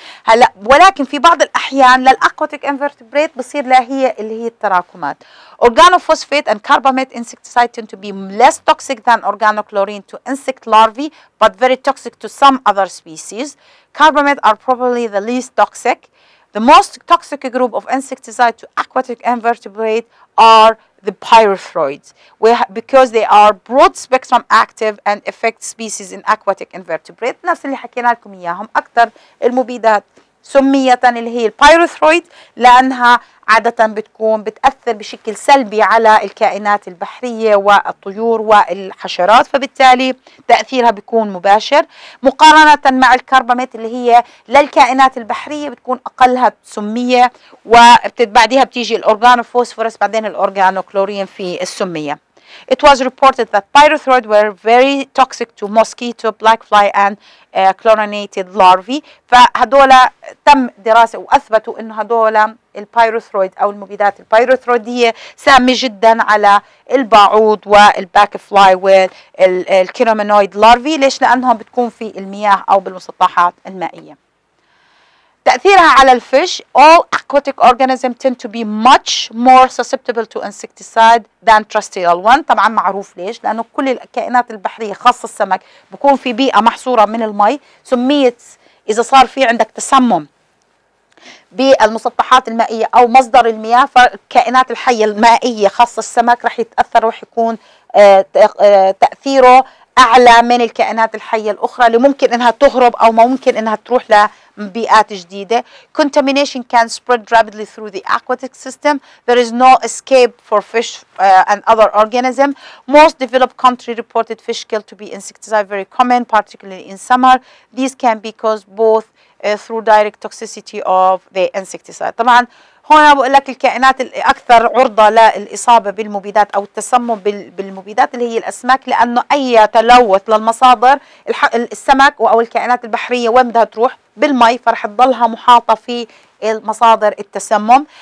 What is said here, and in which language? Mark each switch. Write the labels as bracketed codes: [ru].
[ar] هلأ ولكن في بعض الأحيان للأكواتيك انفرتبريت بصير لها هي اللي هي التراكمات. [en] Organophosphate and carbamate insecticide tend to be less toxic than organochlorine to insect larvae, but very toxic to some other species. Carbamate are probably the least toxic. The most toxic group of insecticide to aquatic invertebrate are the pyrethroids, because they are broad spectrum active and affect species in aquatic invertebrate. [ar] نفس اللي حكينا لكم إياهم، أكثر المبيدات سمية اللي هي البايروثرويد لأنها عادة بتكون بتأثر بشكل سلبي على الكائنات البحرية والطيور والحشرات، فبالتالي تأثيرها بيكون مباشر. مقارنة مع الكربامات اللي هي للكائنات البحرية بتكون أقلها سمية، وبعديها بتيجي الأورغانو فوسفورس بعدين الأورغانو كلورين في السمية. [en] It was reported that pyrethroids were very toxic to mosquito, black fly and chlorinated larvae. [ar] فهدول تم دراسة وأثبتوا أنه هدول البيروثرويد أو المبيدات البيروثرويدية سامة جدا على البعوض والباك فلاي والكيرومينويد لارفي. ليش؟ لأنهم بتكون في المياه أو بالمسطحات المائية. تأثيرها على الفيش. [en] All aquatic organisms tend to be much more susceptible to insecticide than terrestrial one. [ar] طبعا معروف ليش، لأنه كل الكائنات البحرية خاصة السمك بكون في بيئة محصورة من المي، سميت إذا صار في عندك تسمم بالمسطحات المائية أو مصدر المياه فالكائنات الحية المائية خاصة السمك رح يتأثر ورح يكون تأثيره أعلى من الكائنات الحية الأخرى اللي ممكن إنها تهرب أو ممكن إنها تروح لبيئات جديدة. [en] Contamination can spread rapidly through the aquatic system. There is no escape for fish and other organisms. Most developed countries reported fish kill to be insecticide very common, particularly in summer. These can be caused both through direct toxicity of the insecticide. [ar] طبعا هون بقول لك الكائنات الأكثر عرضة للإصابة بالمبيدات أو التسمم بالمبيدات اللي هي الأسماك، لأنه أي تلوث للمصادر السمك أو الكائنات البحرية وين بدها تروح؟ بالماء، فرح تضلها محاطة في المصادر التسمم.